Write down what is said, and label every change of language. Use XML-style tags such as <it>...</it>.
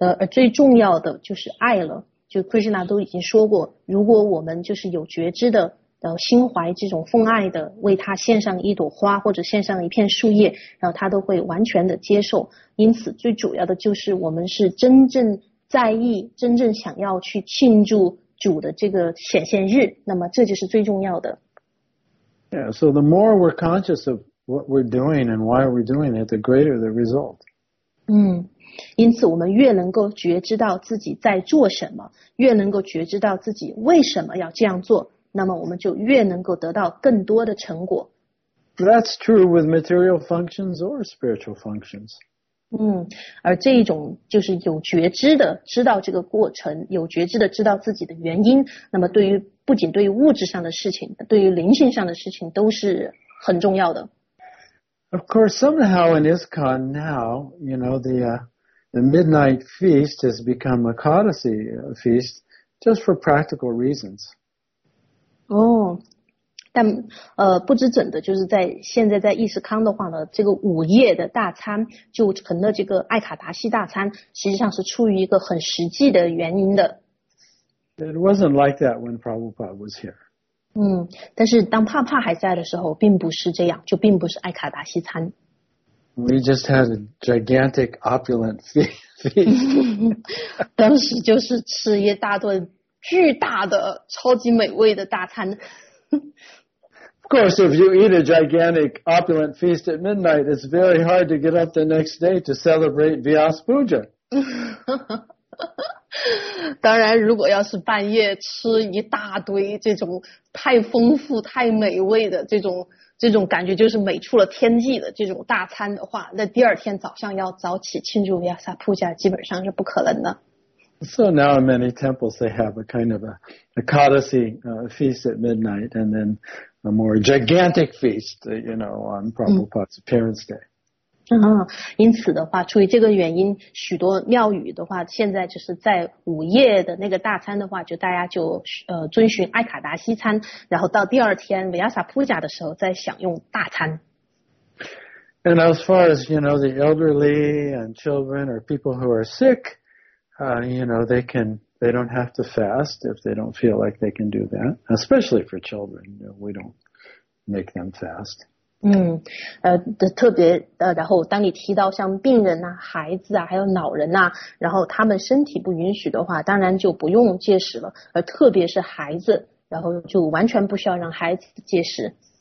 <zh>最重要的就是爱了，就 Krishna 都已经说过，如果我们就是有觉知的，心怀这种奉爱的，为他献上一朵花或者献上一片树叶，然后他都会完全的接受。因此最主要的就是我们是真正在意，真正想要去庆祝主的这个显现日，那么这就是最重要的。</zh> <en>Yeah, so the more we're conscious of what we're doing and why we're doing it, the greater the result.</en> <zh>因此我们越能够觉知到自己在做什么，越能够觉知到自己为什么要这样做，那么我们就越能够得到更多的成果。</zh> <en>That's true with material functions or spiritual functions.</en> <zh>而这一种就是有觉知的知道这个过程，有觉知的知道自己的原因，那么对于不仅对于物质上的事情，对于灵性上的事情都是很重要的。</zh> <en>Of course, somehow in ISKCON now, the midnight feast has become a Kadasi feast just for practical reasons.</en> <zh>但不知怎的，就是在现在在伊斯康的话呢，这个午夜的大餐就成了这个爱卡达西大餐，实际上是出于一个很实际的原因的。</zh> <en>It wasn't like that when Prabhupada was here.</en> <zh>但是当帕帕还在的时候，并不是这样，就并不是爱卡达西餐。</zh> <en>We just had a gigantic opulent feast.</en> <zh>当时就是吃一大顿巨大的、超级美味的大餐。</zh> <en>Of course, if you eat a gigantic opulent feast at midnight, it's very hard to get up the next day to celebrate Vyas Puja.</en> <zh>当然，如果要是半夜吃一大堆这种太丰富、太美味的这种感觉，就是美出了天际的这种大餐的话，那第二天早上要早起庆祝 Vyasa Puja 基本上是不可能的。</zh> <en>So now in many temples they have a kind of a Kadasi feast at midnight and then a more gigantic feast, on Prabhupada's appearance day.</en> <zh>因此的话，出于这个原因，许多庙宇的话，现在就是在午夜的那个大餐的话，就大家就遵循爱卡达西餐，然后到第二天 Vyasa Puja 的时候再享用大餐。</zh> <en>And as far as, the elderly and children or people who are sick,they don't have to fast if they don't feel like they can do that. Especially for children, we don't make them fast.</en> <zh>特别然后当你提到像病人啊、孩子啊、还有老人啊，然后他们身体不允许的话，当然就不用戒食了。而特别是孩子，然后就完全不需要让孩子戒食。</zh>